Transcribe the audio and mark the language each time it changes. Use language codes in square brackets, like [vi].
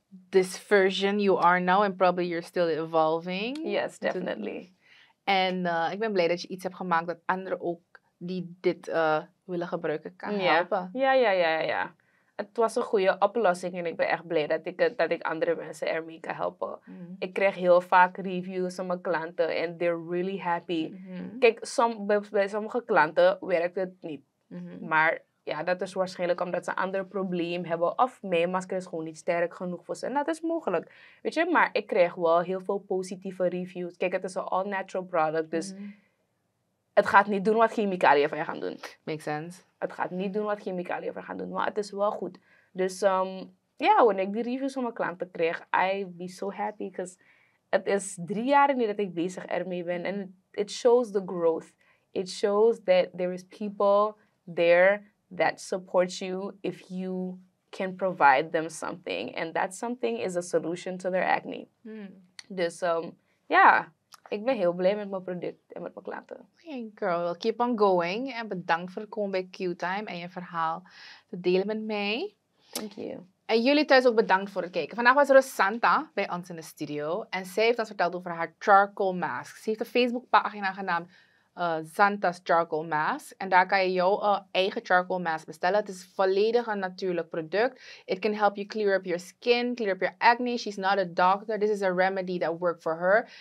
[en] this version you are now and probably you're still evolving. Yes, definitely. [nl] En ik ben blij dat je iets hebt gemaakt dat anderen ook die dit willen gebruiken kan helpen. Ja. Het was een goede oplossing en ik ben echt blij dat ik andere mensen ermee kan helpen. Ik krijg heel vaak reviews van mijn klanten en [en] they're really happy. [nl] Kijk, bij sommige klanten werkt het niet. Maar... ja, dat is waarschijnlijk omdat ze een ander probleem hebben. Of mijn masker is gewoon niet sterk genoeg voor ze. En dat is mogelijk. Weet je, maar ik krijg wel heel veel positieve reviews. Kijk, het is een all-natural product. Dus het gaat niet doen wat chemicaliën van je gaan doen. [en] Makes sense. [nl] Het gaat niet doen wat chemicaliën van je gaan doen. Maar het is wel goed. Dus ja, wanneer ik die reviews van mijn klanten krijg, [en] I be so happy. [nl] Because het is 3 jaar nu dat ik bezig ermee ben. [en] En it shows the growth. It shows that there is people there... that supports you if you can provide them something. And that something is a solution to their acne. [nl] Dus ja, ik ben heel blij met mijn product en met mijn klanten. [en] Hey girl, well, keep on going. [nl] En bedankt voor het komen bij Qtime en je verhaal te delen met mij. [en] Thank you. [nl] En jullie thuis ook bedankt voor het kijken. Vandaag was Rozanta bij ons in de studio. En zij heeft ons verteld over haar charcoal mask. Ze heeft een Facebookpagina genaamd. Zanta's Charcoal Mask. En daar kan je jouw eigen charcoal mask bestellen. Het is volledig een natuurlijk product. [en] It can help you clear up your skin, clear up your acne. She's not a doctor. This is a remedy that worked for her.